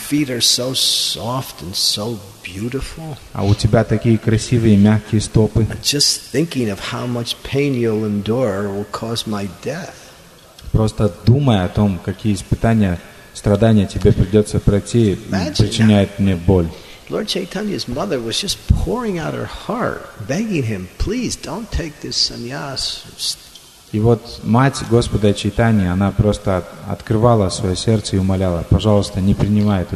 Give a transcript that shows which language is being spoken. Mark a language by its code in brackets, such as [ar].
[en] Beautiful. [ru] А у тебя такие красивые мягкие стопы. [en] Just thinking of how much pain you'll endure will cause my death. [ru] Просто думая о том, какие испытания, страдания тебе придется пройти, причиняет мне боль. [en] Lord Chaitanya's mother was just pouring out her heart, begging him, please don't take this sannyas. [ru] И вот мать Господа Чайтани, она просто открывала свое сердце и умоляла, пожалуйста, не принимай эту